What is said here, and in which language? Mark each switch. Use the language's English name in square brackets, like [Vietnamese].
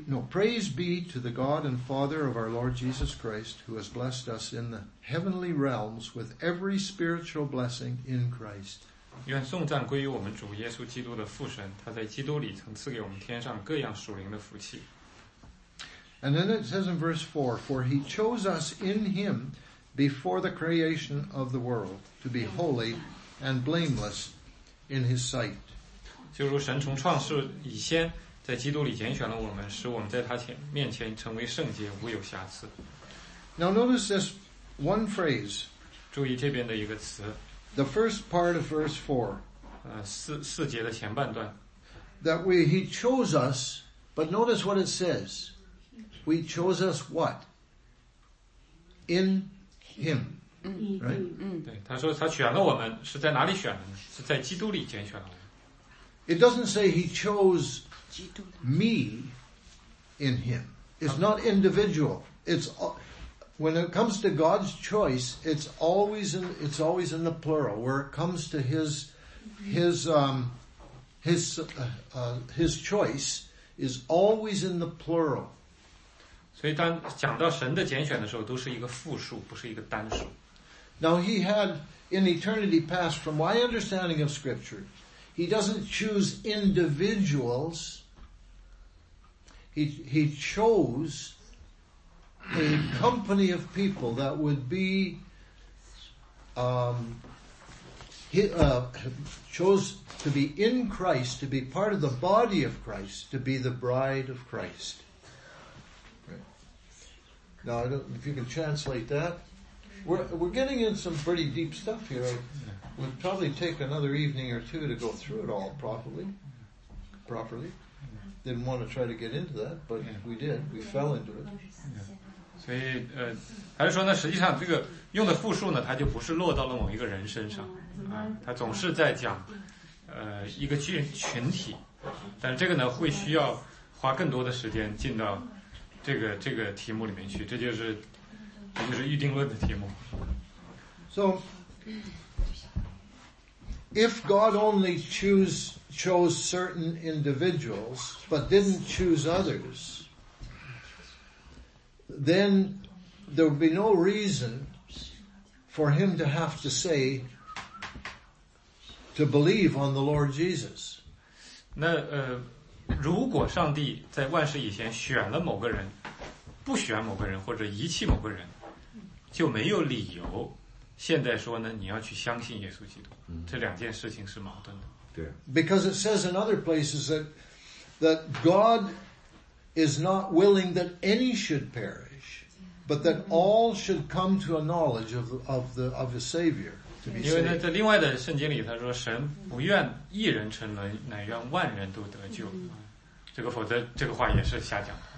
[English] Praise be to the God and Father of our Lord Jesus Christ, who has blessed us in the heavenly realms with every spiritual blessing in Christ. [Chinese] 愿颂赞归于我们主耶稣基督的父神，他在基督里曾赐给我们天上各样属灵的福气。 [English] And then it says in verse 4, For he chose us in him before the creation of the world to be holy and blameless in his sight. [Chinese] 就如神从创世以先在基督里拣选了我们，使我们在他面前成为圣洁无有瑕疵。 [English] Now notice this one phrase. [Chinese] 注意这边的一个词。 [English] The first part of verse 4. [Chinese] 四节的前半段。 [English] That he chose us, but notice what it says. We chose us what? In him. Right? [Chinese] 对，他说他选了我们，是在哪里选的呢？是在基督里拣选了我们。 [English] It doesn't say he chose me in him. It's not individual. It's... When it comes to God's choice, it's always in the plural. Where it comes to his choice is always in the plural. [Chinese] 所以当讲到神的拣选的时候，都是一个复数，不是一个单数。 [English] Now he had in eternity past, from my understanding of Scripture, he doesn't choose individuals. He chose. A company of people that would be, chose to be in Christ, to be part of the body of Christ, to be the bride of Christ. Right. Now, I don't, if you can translate that. We're getting in some pretty deep stuff here. We'll probably take another evening or two to go through it all properly. Didn't want to try to get into that, but we did. We fell into it. Yeah. [Chinese] 所以他就说呢，实际上这个用的复数呢，它就不是落到了某一个人身上它总是在讲一个群体，但这个呢会需要花更多的时间进到这个题目里面去，这就是预定论的题目。 [English] So if God only chose certain individuals but didn't choose othersThen there would be no reason for him to have to say to believe on the Lord Jesus. [Chinese] 那如果上帝在万事以前选了某个人，不选某个人或者遗弃某个人，就没有理由现在说呢，你要去相信耶稣基督。这两件事情是矛盾的。对。 [English] Because it says in other places that God is not willing that any should perish, but that all should come to a knowledge of His Savior. [Chinese] 因为呢，在另外的圣经里，他说神不愿一人沉沦，乃愿万人都得救。这个否则，这个话也是瞎讲。